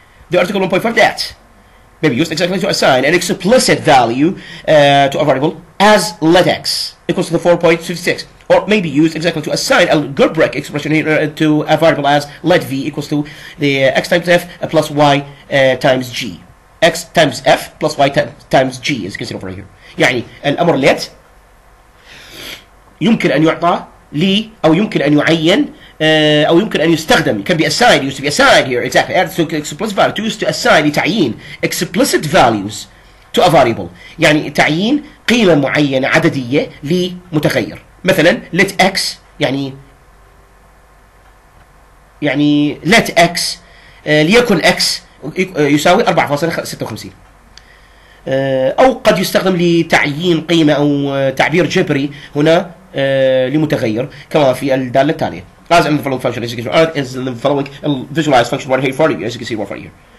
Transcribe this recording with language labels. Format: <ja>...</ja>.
<en>The article 1.5 that may be used exactly to assign an explicit value to a variable as let x equals to the 4.56. Or may be used exactly to assign a good break expression here to a variable as let v equals to the x times f plus y times g. X times f plus y times g is considered over here.</en> <ar>يعني الأمر let يمكن أن يعطى لي أو يمكن أن يعين أو يمكن أن يستخدم.</ar> <en>Can be assigned, used to be assigned here. Exactly. Add to explicit value. To use to assign</en> <ar>لتعيين</ar> <en>explicit values to a variable.</en> <ar>يعني تعيين قيمة معينة عددية لمتغير. مثلا let x يعني let x ليكن x يساوي 4.56 او قد يستخدم لتعيين قيمه او تعبير جبري هنا لمتغير كما في الداله التاليه</ar> <en>as in the following function as you can see right is the following visualized function right here for you as you can see right for you</en>